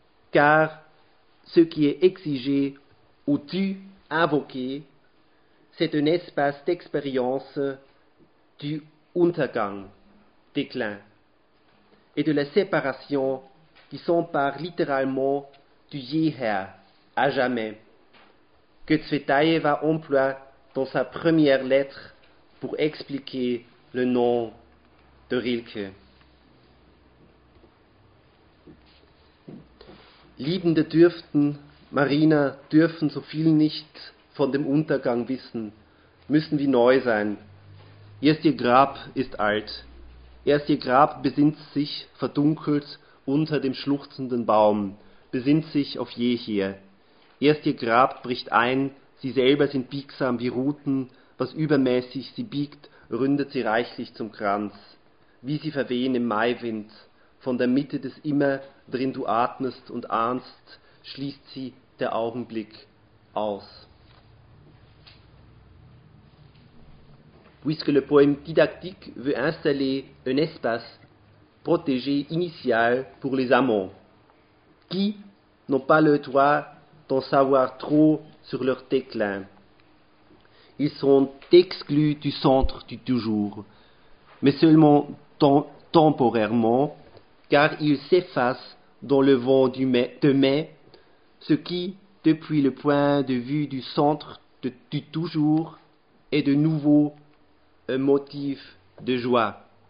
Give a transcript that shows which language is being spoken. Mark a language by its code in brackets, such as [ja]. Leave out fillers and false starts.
[fr] Car ce qui est exigé ou dû invoquer, c'est un espace d'expérience du Untergang, déclin, et de la séparation qui s'empare littéralement du jeher, à jamais, que Tsvetaeva emploie dans sa première lettre pour expliquer le nom de Rilke. [de] Liebende dürften, Marina, dürfen so viel nicht von dem Untergang wissen, müssen wie neu sein. Erst ihr Grab ist alt, erst ihr Grab besinnt sich verdunkelt unter dem schluchzenden Baum, besinnt sich auf jeher. Erst ihr Grab bricht ein, sie selber sind biegsam wie Ruten, was übermäßig sie biegt, ründet sie reichlich zum Kranz, wie sie verwehen im Maiwind, von der Mitte des Immer, drin du atmest und ahnst, schließt sie der Augenblick aus. [fr] Puisque le poème didactique veut installer un espace protégé initial pour les amants, qui n'ont pas le droit d'en savoir trop sur leur déclin. Ils sont exclus du centre du toujours, mais seulement temporairement, car ils s'effacent dans le vent de mai, ce qui, depuis le point de vue du centre du toujours, est de nouveau un motif de joie.